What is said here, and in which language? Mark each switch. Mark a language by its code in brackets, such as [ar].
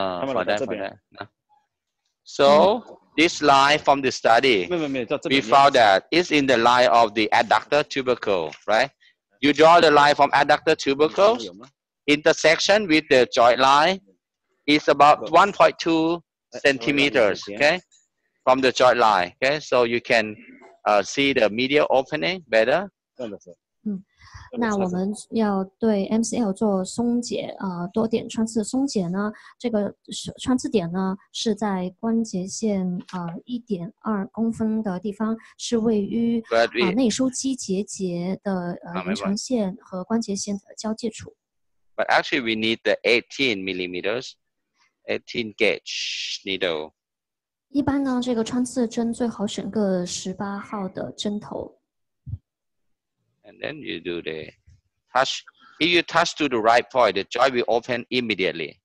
[en] For that, So this line from the study, we found that it's in the line of the adductor tubercle, right? You draw the line from adductor tubercle intersection with the joint line is about 1.2 centimeters, okay? From the joint line, okay? So you can see the medial opening better. [zh] 那我们要对 MCL 做松解，多点穿刺松解呢，这个穿刺点呢是在关节线1.2公分的地方，是位于内收肌结节的延长线和关节线的交界处。 [en] But actually, we need the 18 millimeters, 18 gauge needle. [zh] 一般呢，这个穿刺针最好选个18号的针头。 [en] And then you do the touch. If you touch to the right point, the joint will open immediately.